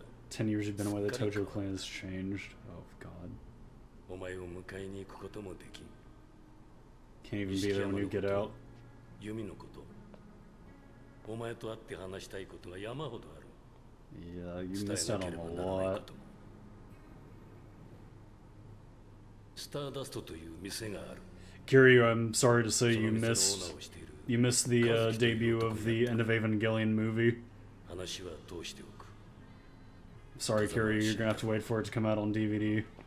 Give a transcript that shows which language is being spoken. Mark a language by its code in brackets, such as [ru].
[en] 10 years you've been away, the Tojo clan has changed. Oh god. [ja] お前を迎えに行くこともでき、 [en] can't even be there when you get out。 [ja] ユミのこと、お前と会って話したいことが山ほどある。 [en] Yeah, you missed out on a lot。 [ja] スターダストという店がある。 [en] Kiryu, I'm sorry to say you missed the、debut of the End of Evangelion movie。 [ja] 話は通しておく。 [en] Sorry, Kiryu, you're gonna have to wait for it to come out on DVD。